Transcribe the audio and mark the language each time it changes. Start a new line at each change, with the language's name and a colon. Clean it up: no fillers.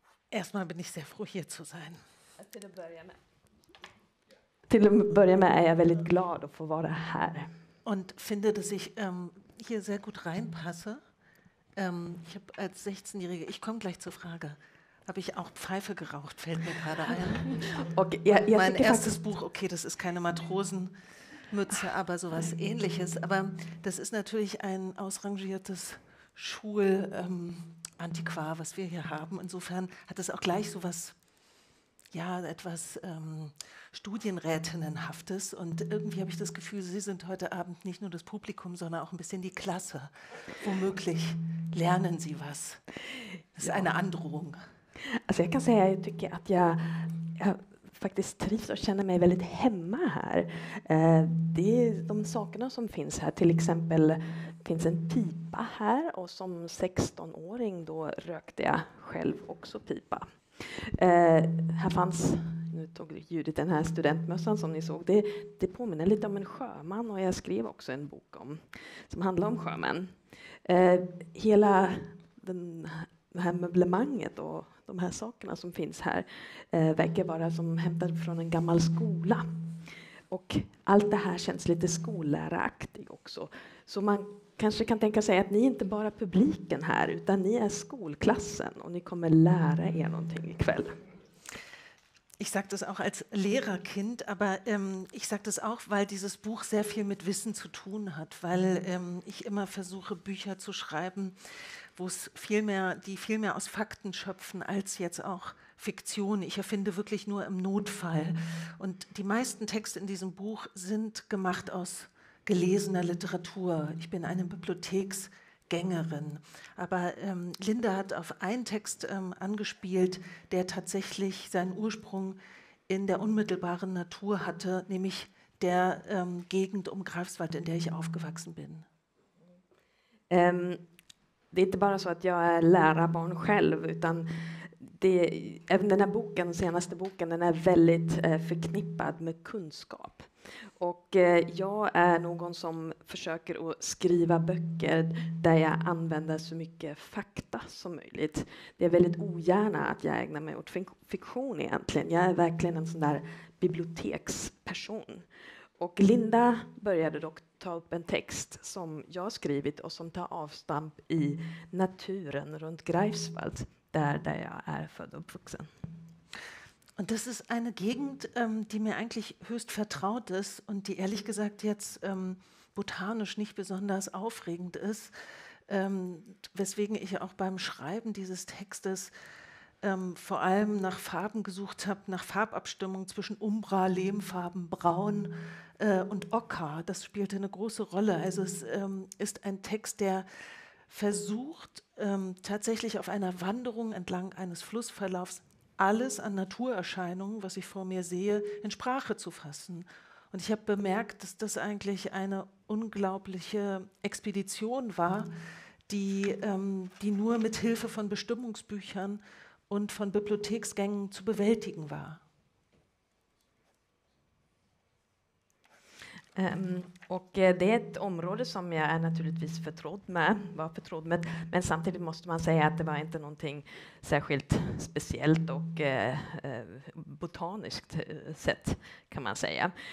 German: Erstmal bin ich sehr froh hier zu sein.
Swedish: Till att börja med är jag väldigt glad att få vara här.
German: Und finde, dass ich hier sehr gut reinpasse. Ich habe als 16-Jährige, ich komme gleich zur Frage, habe ich auch Pfeife geraucht, fällt mir gerade ein. Okay, ja, ja, mein erstes Buch, okay, das ist keine Matrosenmütze, aber sowas Ähnliches. Aber das ist natürlich ein ausrangiertes Schul-Antiquar, was wir hier haben. Insofern hat es auch gleich sowas, ja, etwas Studienrätinnenhaftes. Und irgendwie habe ich das Gefühl, Sie sind heute Abend nicht nur das Publikum, sondern auch ein bisschen die Klasse. Womöglich lernen Sie was. Das ist eine Androhung.
Swedish: Alltså jag kan säga att jag tycker att jag faktiskt trivs och känner mig väldigt hemma här. Det är de sakerna som finns här, till exempel finns en pipa här, och som 16-åring då rökte jag själv också pipa. Här fanns, nu tog Judith den här studentmössan som ni såg, det påminner lite om en sjöman, och jag skrev också en bok om, som handlar om sjömän. Hela det här möblemanget och de här sakerna som finns här verkar vara som hämtat från en gammal skola. Och allt det här känns lite skolläraktigt också. Så man kanske kan tänka sig att ni inte bara är publiken här, utan ni är skolklassen och ni kommer lära er någonting ikväll.
German: Ich sage das auch als Lehrerkind, aber ich sage das auch, weil dieses Buch sehr viel mit Wissen zu tun hat, weil ich immer versuche, Bücher zu schreiben, wo es viel mehr, die viel mehr aus Fakten schöpfen als jetzt auch Fiktion. Ich erfinde wirklich nur im Notfall. Und die meisten Texte in diesem Buch sind gemacht aus gelesener Literatur. Ich bin eine Bibliotheksgängerin. Aber Linda hat auf einen Text angespielt, der tatsächlich seinen Ursprung in der unmittelbaren Natur hatte, nämlich der Gegend um Greifswald, in der ich aufgewachsen bin.
Swedish: Det är inte bara så att jag är lärarbarn själv, utan det, även den här boken, den senaste boken, den är väldigt förknippad med kunskap. Och jag är någon som försöker att skriva böcker där jag använder så mycket fakta som möjligt. Det är väldigt ogärna att jag ägnar mig åt fiktion egentligen. Jag är verkligen en sån där biblioteksperson. Och Linda började dock ta upp en text som jag skrivit och som tar avstamp i naturen runt Greifswald, där jag är född och uppvuxen.
German: Und das ist eine Gegend, die mir eigentlich höchst vertraut ist und die ehrlich gesagt jetzt botanisch nicht besonders aufregend ist, weswegen ich auch beim Schreiben dieses Textes vor allem nach Farben gesucht habe, nach Farbabstimmung zwischen Umbra, Lehmfarben, Braun und Ocker. Das spielte eine große Rolle. Also es ist ein Text, der versucht, tatsächlich auf einer Wanderung entlang eines Flussverlaufs alles an Naturerscheinungen, was ich vor mir sehe, in Sprache zu fassen. Und ich habe bemerkt, dass das eigentlich eine unglaubliche Expedition war, die nur mit Hilfe von Bestimmungsbüchern und von Bibliotheksgängen zu bewältigen war.
Swedish: Och det är ett område som jag är naturligtvis var förtrodd med, men samtidigt måste man säga att det var inte någonting särskilt speciellt och botaniskt sett, kan man säga.